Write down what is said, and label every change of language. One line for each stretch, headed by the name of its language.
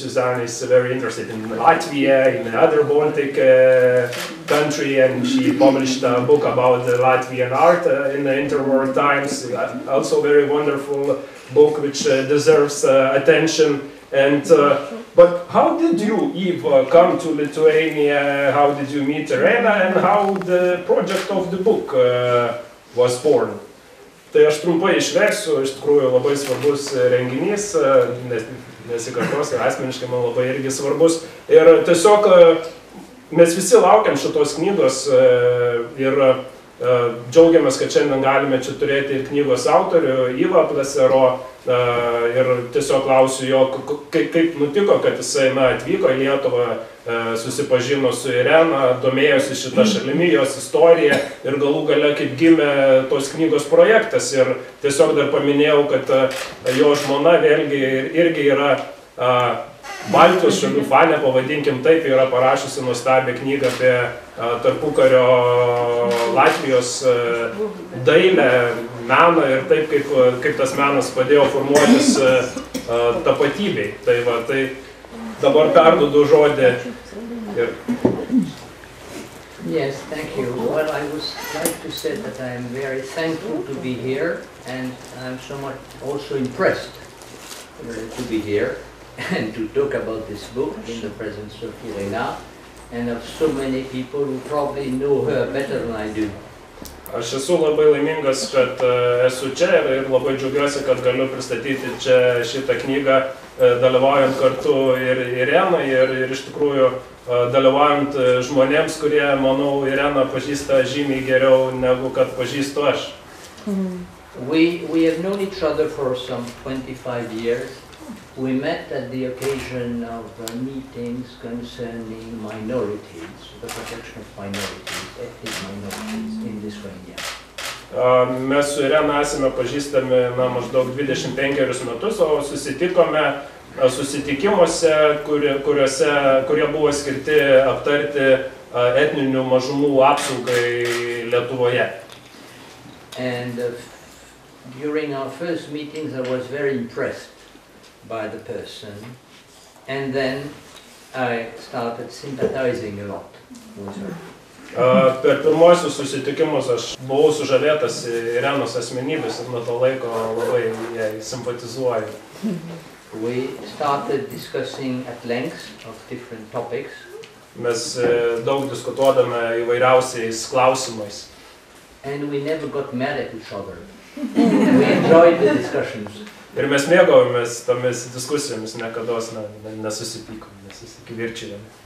English: Suzanne, is very interested in Latvia, in the other Baltic country, and she published a book about Latvian art in the interwar times. Also a very wonderful book, which deserves attention. But how did you, Eve, come to Lithuania? How did you meet Irena? And how the project of the book was born?
Lithuanian: Tai aš trumpai išversiu, iš tikrųjų labai svarbus renginys, nesikartos, asmeniškai man labai irgi svarbus. Ir tiesiog mes visi laukiam šitos knygos ir džiaugiamės, kad šiandien galime čia turėti ir knygos autorių, Ivą Plasero, ir tiesiog klausiu jo, kaip nutiko, kad jisai atvyko į Lietuvą, susipažino su Irena, domėjosi šitą šalimi, jos istoriją ir galų gale, kaip gimė tos knygos projektas. Ir tiesiog dar paminėjau, kad jo žmona vėlgi irgi yra Baltijos šalių fanė, pavadinkim taip, yra parašiusi nuostabią knygą apie tarpukario Latvijos dailę, meną ir taip, kaip tas menas padėjo formuotis tapatybei. Tai va, tai dabar perduodu žodį. Ir...
English: Yes, thank you. Well, I would like to say that I am very thankful to be here, and I'm somewhat also impressed to be here and to talk about this book in the presence of Irina and of so many people who probably know her better than I do.
Lithuanian: Aš esu labai laimingas, kad esu čia ir labai džiaugiuosi, kad galiu pristatyti čia šitą knygą, dalyvaujant kartu ir Irenai ir iš tikrųjų dalyvaujant žmonėms, kurie, manau, Irena pažįsta žymiai geriau negu kad pažįstu aš.
English: We have known each other for some 25 years. We met at the occasion of meetings concerning minorities, the protection of minorities, ethnic minorities in Lithuania.
Lithuanian: Mes su Irena esame pažįstami na, maždaug 25 metus, o susitikome susitikimuose, kurie buvo skirti aptarti etninių mažumų apsaugai Lietuvoje.
English: And during our first meetings I was very impressed by the person, and then I started sympathizing a lot with her.
Lithuanian: Per pirmuosius susitikimus aš buvau sužavėtas Irenos asmenybės ir nuo to laiko labai jai simpatizuoju.
English: We started discussing at length of different topics.
Lithuanian: Mes daug diskutuodame įvairiausiais klausimais.
English: And we never got mad at each other. We enjoyed the discussions.
Lithuanian: Ir mes mėgavomės tomis diskusijomis, niekados nesusipykom, nesusikivirčiavom.